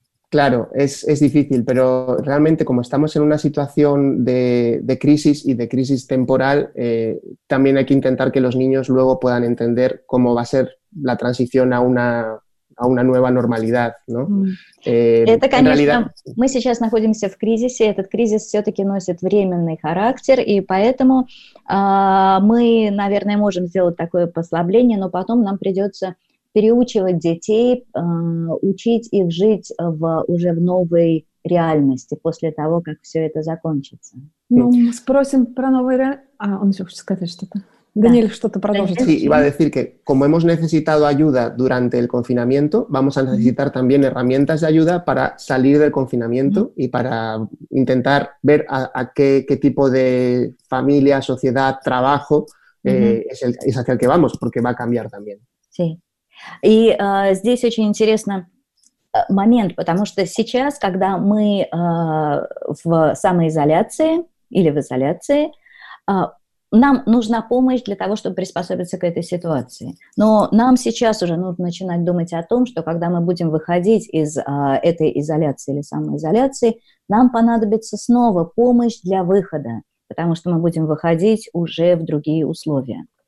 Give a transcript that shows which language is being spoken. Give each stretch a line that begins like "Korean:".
Spanish: Claro, es difícil, pero realmente como estamos en una situación de crisis y de crisis temporal, también hay que intentar que los niños luego puedan entender cómo va a ser la transición a una nueva normalidad, ¿no?
Russian: Это, конечно,
Spanish: realidad...
Russian: мы сейчас находимся в кризисе, этот кризис все-таки носит временный характер, и поэтому мы, наверное, можем сделать такое послабление, но потом нам придется переучивать детей, учить их жить уже в новой реальности после того, как все это закончится. Ну, мы спросим про новый реальность. А, он еще хочет сказать что-то. Daniel, что-то продолжит.
Spanish: Sí, iba a decir que como hemos necesitado ayuda durante el confinamiento, vamos a necesitar también herramientas de ayuda para salir del confinamiento y para intentar ver a qué tipo de familia, sociedad, trabajo es hacia el que vamos, porque va a cambiar también. Sí. Y
Russian: здесь очень интересно момент, потому что сейчас, когда мы в самоизоляции или в изоляции, нам нужна помощь для того, чтобы приспособиться к этой ситуации. Но нам сейчас уже нужно начинать думать о том, что когда мы будем выходить из этой изоляции или самоизоляции, нам понадобится снова помощь для выхода, потому что мы будем выходить уже в другие условия.